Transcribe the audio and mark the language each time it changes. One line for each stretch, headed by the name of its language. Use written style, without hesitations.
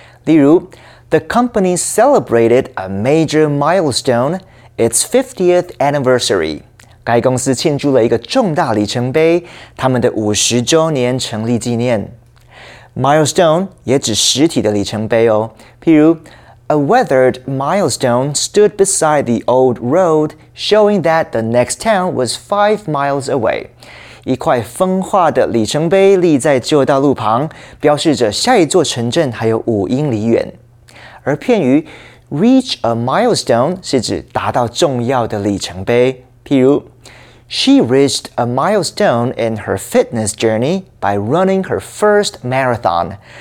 English: 例如 ,The company celebrated a major milestone, its 50th anniversary.
Chinese: 该公司庆祝了一个重大里程碑,他们的50周年成立纪念。 Milestone 也指实体的里程碑哦。
English: 譬如 ,A weathered milestone stood beside the old road, showing that the next town was 5 miles away.
Chinese: 一块风化的里程碑立在旧道路旁，标示着下一座城镇还有5英里远。而片语
English: reach a milestone
Chinese: 是指达到重要的里程碑。
English: 譬如 ,She reached a milestone in her fitness journey by running her first marathon.